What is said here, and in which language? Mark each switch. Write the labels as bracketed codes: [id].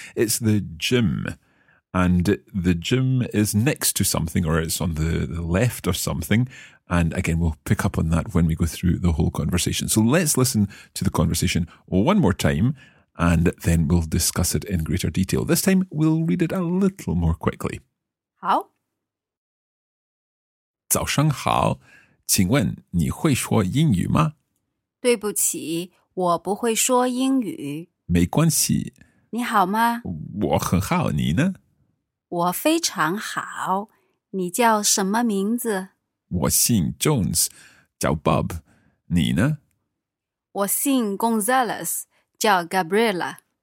[en] It's the gym. And the gym is next to something, or it's on the left or something. And again, we'll pick up on that when we go through the whole conversation. So let's listen to the conversation one more time, and then we'll discuss it in greater detail. This time, we'll read it a little more quickly. [zh] 好。早上好, 请问你会说英语吗? 对不起, 我不会说英语。没关系。你好吗? 我很好, 你呢? 我非常好, 你叫什么名字? 我姓Jones, 叫Bob, 你呢? 我姓Gonzalez, 叫Gabriela。